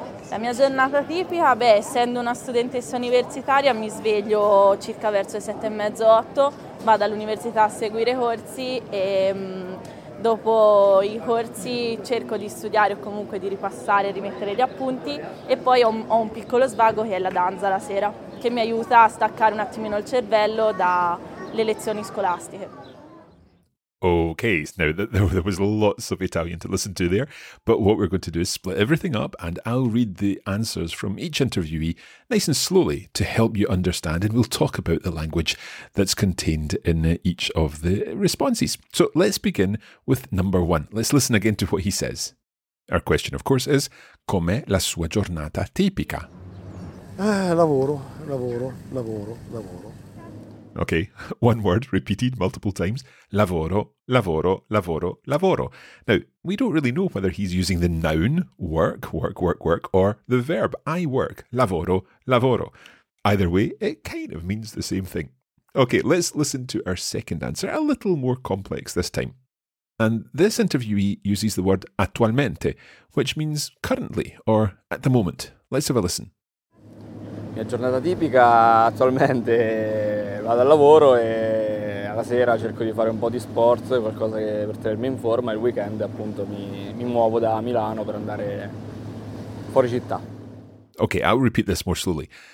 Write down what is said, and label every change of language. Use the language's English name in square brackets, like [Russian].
[Italian] La mia giornata tipica, essendo una studentessa universitaria, mi sveglio circa verso le 7:30-8, vado all'università a seguire corsi e dopo i corsi cerco di studiare o comunque di ripassare, rimettere gli appunti e poi ho un piccolo svago che è la danza la sera, che mi aiuta a staccare un attimino il cervello dalle lezioni scolastiche. [English] Okay, now there was lots of Italian to listen to there, but what we're going to do is split everything up and I'll read the answers from each interviewee nice and slowly to help you understand, and we'll talk about the language that's contained in each of the responses. So let's begin with number one. Let's listen again to what he says. Our question, of course, is [Italian] com'è la sua giornata tipica? Lavoro. [English] Okay, one word repeated multiple times. [Italian] Lavoro, lavoro, lavoro, lavoro. [English] Now, we don't really know whether he's using the noun work, work, work, work, or the verb I work, [Italian] lavoro, lavoro. [English] Either way, it kind of means the same thing. Okay, let's listen to our second answer, a little more complex this time. And this interviewee uses the word attualmente, which means currently or at the moment. Let's have a listen. [Italian] Mia giornata tipica attualmente vado al lavoro e alla sera cerco di fare un po' di sport, qualcosa che per tenermi in forma, e il weekend appunto mi muovo da Milano per andare fuori città. [English] Ok, I'll repeat this more slowly.